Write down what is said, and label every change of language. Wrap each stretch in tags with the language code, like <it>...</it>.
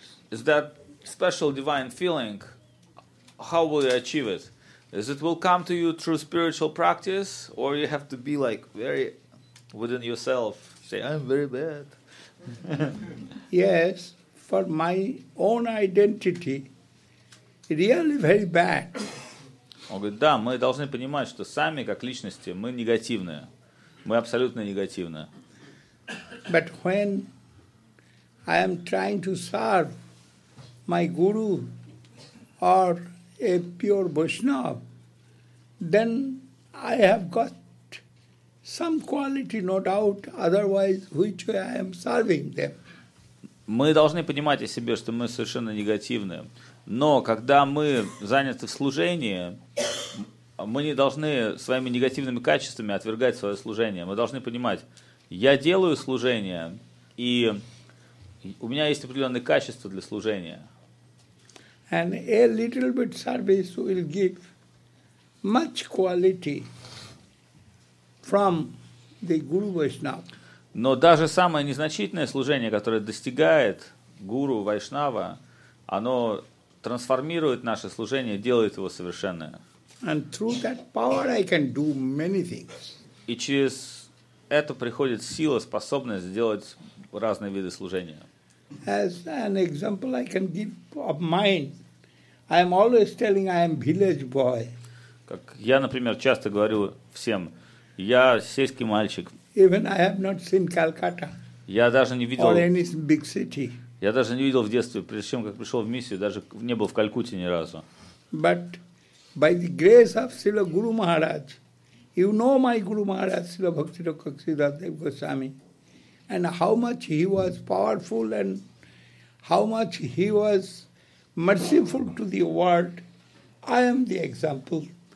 <en>Is that special divine feeling? How will you achieve it? Is it will come to you through spiritual practice, or you have to be like very within yourself? Say, I'm very bad. Yes, for my own identity, really very bad.</en> <ru>Он говорит, да, мы должны понимать, что сами как личности мы негативные, мы абсолютно негативные.</ru> <en>But when I am trying to serve my guru or a pure Vaishnav, then I have got some quality, no doubt, otherwise which way I am serving them.</en> <ru>Мы должны понимать о себе, что мы совершенно негативны. Но когда мы заняты в служении, мы не должны своими негативными качествами отвергать свое служение. Мы должны понимать, я делаю служение, и у меня есть определенные качества для служения.</ru> <en>And a little bit service will give much quality from the Guru Vaishnava.</en> <ru>Но даже самое незначительное служение, которое достигает Гуру Вайшнава, оно трансформирует наше служение, делает его совершенным.</ru> <en>And through that power I can do many things.</en> <ru>И через это приходит сила, способность сделать разные виды служения.</ru> <en>As an example I can give of mine. I am always telling I am village boy.</en> <ru>Как я, например, часто говорю всем, я сельский мальчик.</ru> <en>Even I have not seen Calcutta.</en> <ru>Я даже не видел.</ru> <en>Or any big city.</en> <ru>Я даже не видел в детстве, прежде чем как пришел в миссию, даже не был в Калькутте ни разу.</ru> <en>But by the grace of Srila Guru Maharaj, you know my Guru Maharaj, Srila Bhakti Rokak Siddhadev Goswami, and how much he was powerful and how much he was merciful to the world, I am the example.</en>